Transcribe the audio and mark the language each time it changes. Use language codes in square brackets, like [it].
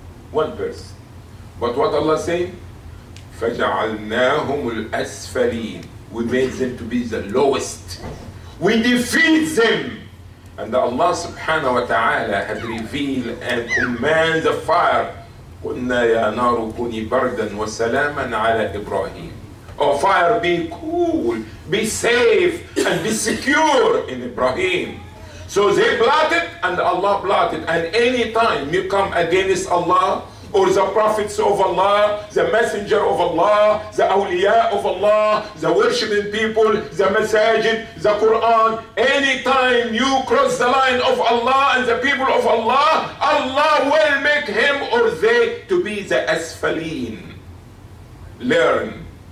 [en] One verse. But what Allah said? [ar] فَجَعَلْنَاهُمُ الْأَسْفَلِينَ. [en] We made them to be the lowest. We defeat them. And Allah subhanahu wa ta'ala had revealed and commanded the fire [ar] قلنا يا نار كوني بردا وسلاما على إبراهيم. [en] Oh fire be cool, be safe and be secure in Ibrahim. So they plotted and Allah plotted. And any time you come against Allah or the prophets of Allah, the messenger of Allah, the awliya of Allah, the worshiping people, the masajid, the Quran, any time you cross the line of Allah and the people of Allah, Allah will make him or they to be the asfaleen. Learn.